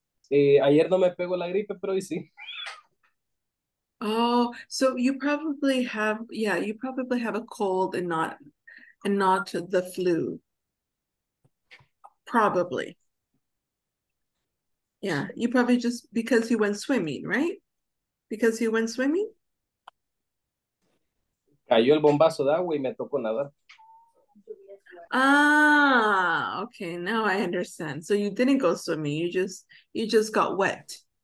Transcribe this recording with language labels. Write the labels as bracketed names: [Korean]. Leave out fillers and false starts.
[Spanish] Ayer no me pegó la gripe, pero hoy sí. [English] oh, so you probably have a cold and not the flu. Probably. Yeah, you probably just because you went swimming, right? Because you went swimming. [Spanish] Cayó el bombazo de agua y me tocó nadar. [English] Ah, okay, now I understand. So you didn't go swimming, you just got wet.